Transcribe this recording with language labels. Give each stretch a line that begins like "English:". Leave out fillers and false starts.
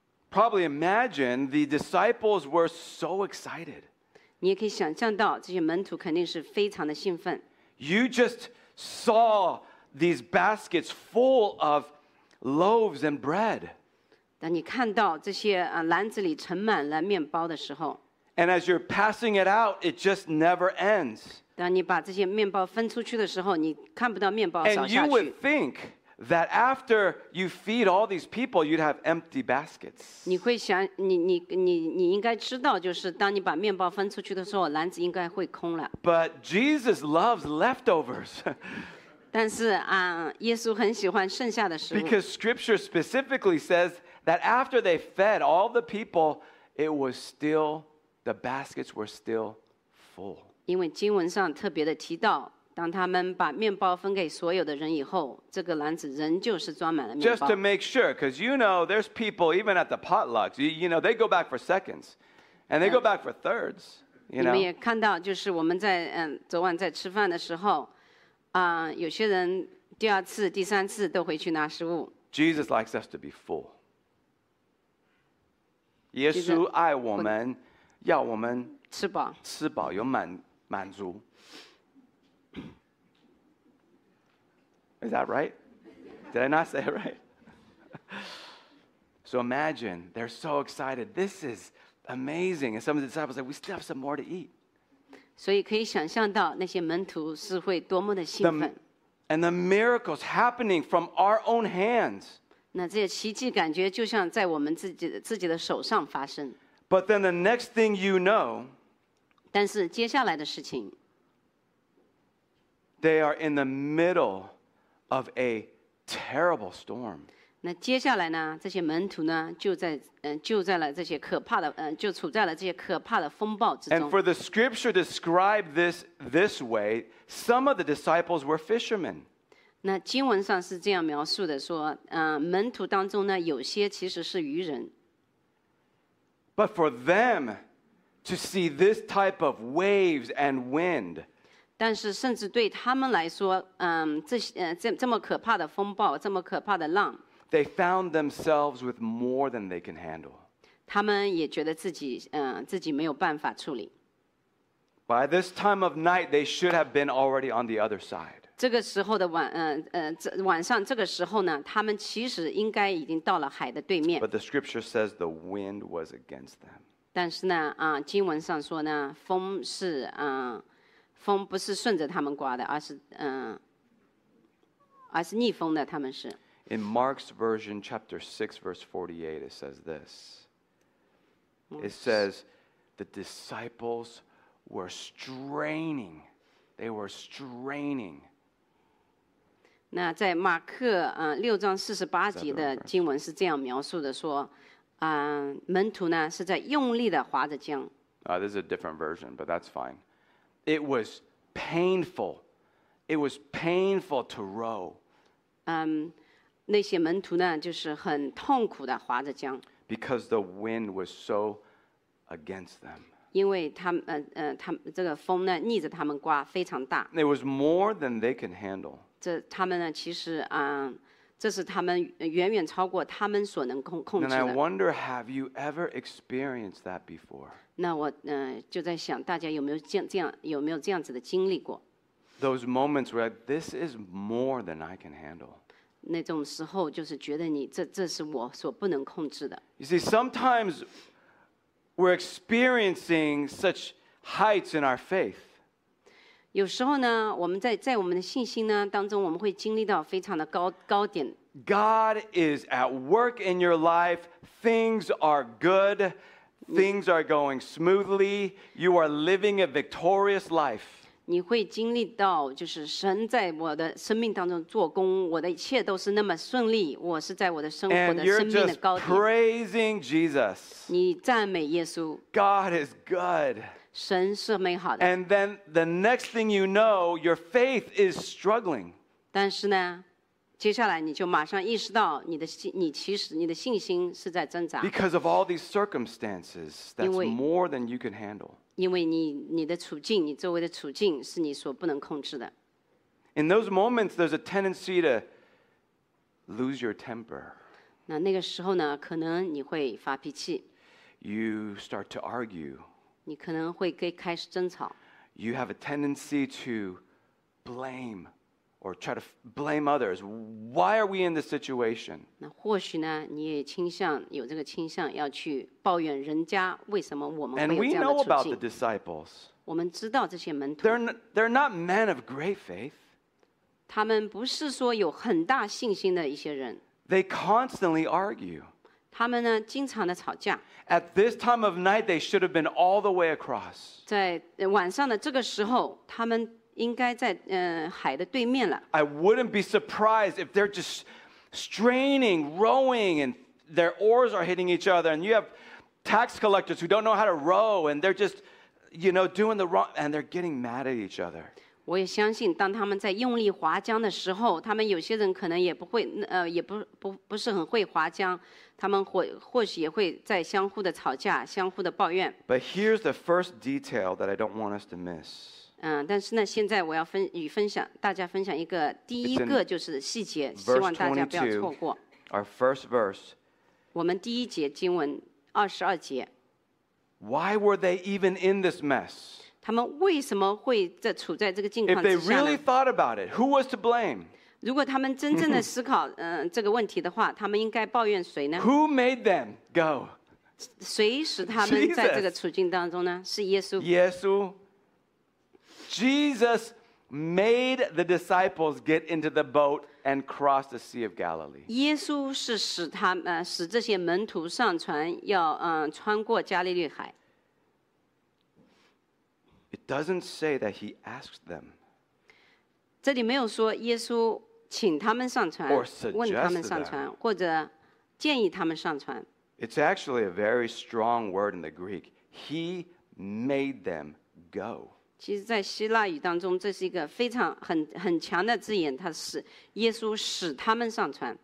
English: Probably imagine the disciples were so excited.
Chinese: 你也可以想象到这些门徒肯定是非常的兴奋。
English: You just saw these baskets full of loaves and bread.
Chinese: 当你看到这些篮子里盛满了面包的时候。
English: And as you're passing it out, it just never ends.
Chinese: 当你把这些面包分出去的时候，你看不到面包少下去。
English: And you would think. That after you feed all these people, you'd have empty baskets.
Chinese: 你会想，你应该知道，就是当你把面包分出去的时候，篮子应该会空了。
English: But Jesus loves leftovers.
Chinese: 但是耶稣很喜欢剩下的食物。
English: Because Scripture specifically says that after they fed all the people, the baskets were still full.
Chinese: 因为经文上特别的提到。当他们把面包分给所有的人以后，这个篮子仍旧是装满了面包。
English: Just to make sure, because you know, there's people even at the potlucks. You know, they go back for seconds, and they go back for thirds. You know.
Chinese: 你们也看到，就是我们在昨晚在吃饭的时候，有些人第二次、第三次都回去拿食物。
English: Jesus likes us to be full.
Chinese: 耶稣爱我们，要我们吃饱，有满足。
English: Is that right? Did I not say it right? So imagine, they're so excited. This is amazing. And some of the disciples said, we still have some more to eat.
Chinese: 所以可以想象到那些门徒是会多么的兴奋。
English: And the miracles happening from our own hands.
Chinese: 那这些奇迹感觉就像在我们自己的手上发生。
English: But then the next thing you know,
Chinese: 但是接下来的事情,
English: they are in the middle of a terrible storm.
Chinese: 那接下来呢,这些门徒呢,就处在了这些可怕的风暴之中。
English: And for the scripture to describe this way, some of the disciples were fishermen.
Chinese: 那经文上是这样描述的,说,门徒当中呢,有些其实是渔人。
English: But for them to see this type of waves and wind,
Chinese: 但是甚至对他们来说，这么可怕的风暴，这么可怕的浪，
English: they found themselves with more than they can handle.
Chinese: 他们也觉得自己没有办法处理。
English: By this time of night, they should have been already on the other side.
Chinese: 这个时候的晚上这个时候呢，他们其实应该已经到了海的对面。
English: But the scripture says the wind was against them.
Chinese: 但是呢，经文上说呢，风是风不是顺着他们刮的，而是逆风的。他们是。
English: In Mark's version, chapter 6, verse 48, it says this. It says, the disciples were straining. They were straining.
Chinese: 那在马克六章四十八节的经文是这样描述的，说，门徒呢是在用力的划着桨。
English: This is a different version, but that's fine. It was painful. It was painful to row.
Chinese: 那些门徒呢，就是很痛苦的划着桨。
English: Because the wind was so against them.
Chinese: 因为他们这个风呢，逆着他们刮，非常大。
English: It was more than they can handle.
Chinese: 这他们呢，其实这是他们远远超过他们所能控制的。
English: And I wonder, have you ever experienced that before?
Chinese: 那我就在想，大家有没有这样子的经历过
English: ？Those moments where this is more than I can handle.
Chinese: 那种时候就是觉得你这是我所不能控制的。
English: You see, sometimes we're experiencing such heights in our faith.
Chinese: 有时候呢，我们在我们的信心呢当中，我们会经历到非常的高点。
English: God is at work in your life. Things are good. Things are going smoothly. You are living a victorious life.
Chinese: 你会经历到，就是神在我的生命当中做工，我的一切都是那么顺利。我是在我的生活的生命的高点。
English: And you're just praising Jesus.
Chinese: 你赞美耶稣。
English: God is good.
Chinese: 神是美好的。
English: And then the next thing you know, your faith is struggling.
Chinese: 但是呢，接下来你就马上意识到你的信心是在挣扎。
English: Because of all these circumstances, that's more than you can handle.
Chinese: 因为你的处境，你周围的处境是你所不能控制的。
English: In those moments, there's a tendency to lose your temper.
Chinese: 那个时候呢，可能你会发脾气。
English: You start to argue.
Chinese: 你可能会开始争吵。
English: You have a tendency to blame or try to blame others. Why are we in this situation?
Chinese: 那或许呢，你也倾向有这个倾向要去抱怨人家，为什么我们会有这样的处境。
English: And we know about the disciples.
Chinese: 我们知道这些门徒。
English: They're not men of great faith.
Chinese: 他们不是说有很大信心的一些人。
English: They constantly argue.
Chinese: 他们呢，经常的吵架。
English: At this time of night, they should have been all the way across.
Chinese: 在晚上的这个时候，他们应该在海的对面了。
English: I wouldn't be surprised if they're just straining, rowing, and their oars are hitting each other. And you have tax collectors who don't know how to row, and they're just, you know, doing the wrong, and they're getting mad at each other.
Chinese: 我也相信，当他们在用力划桨的时候，他们有些人可能也不会，也不是很会划桨，他们或许也会在相互的吵架，相互的抱怨。
English: But here's the first detail that I don't want us to miss.
Chinese: 但是呢，现在我要分享大家分享一个第一个就是细节，希望大家不要错过。
English: Our first verse.
Chinese: 我们第一节经文二十二节。
English: Why were they even in this mess?
Chinese: 他们为什么会在处在这个境况之下呢？
English: If they really thought about it, who was to blame?
Chinese: 如果他们真正的思考这个问题的话，他们应该抱怨谁呢？
English: Who made them go?
Chinese: 谁使他们在这个处境当中呢？是耶稣。耶稣。
English: Jesus made the disciples get into the boat and cross the Sea of Galilee.
Chinese: 耶稣是使他们使这些门徒上船，要穿过加利利海。
English: It doesn't say that he asked them.
Chinese: 这里没有说耶稣请他们上船，问他们上船，或者建议他们上船。
English: It's actually a very strong word in the Greek. He made them go.
Chinese: 其实在希腊语当中，这是一个非常很强的字眼，它是耶稣使他们上船。